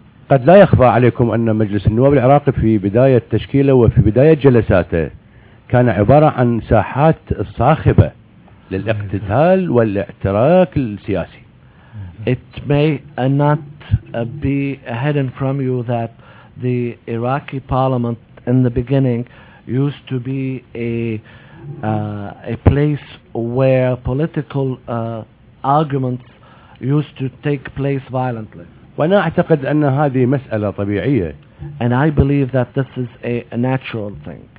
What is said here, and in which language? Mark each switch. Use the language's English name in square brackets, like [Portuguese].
[Arabic] قد لا يخفى عليكم أن مجلس النواب العراقي في بداية تشكيله وفي بداية جلساته كان عبارة عن ساحات صاخبة للاقتتال والاعتراك السياسي. [English] It may not be hidden from you that the Iraqi parliament in the beginning used to be a a place where political arguments used to take place violently. [Arabic] وأنا أعتقد أن هذه مسألة طبيعية. [English] And I believe that this is a natural thing.